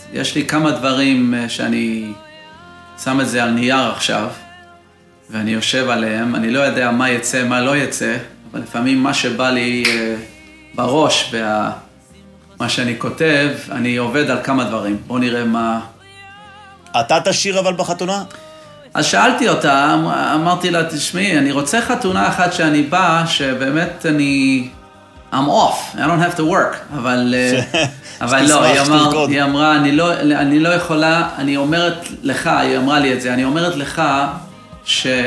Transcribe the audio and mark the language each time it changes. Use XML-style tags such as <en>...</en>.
<he>יש לי כמה דברים שאני שם את זה על נייר עכשיו, ואני יושב עליהם, אני לא יודע מה יצא, מה לא יצא, אבל לפעמים מה שבא לי בראש, ומה שאני כותב, אני עובד על כמה דברים. בוא נראה מה... אתה תשיר אבל בחתונה? אז שאלתי אותה, אמרתי לה, תשמעי, אני רוצה חתונה אחת שאני בא, שבאמת אני...</he> <en>I'm off, I don't have to work,</en> <he>אבל... אבל לא, היא אמרה, אני לא יכולה, אני אומרת לך, היא אמרה לי את זה, אני אומרת לך ש...</he>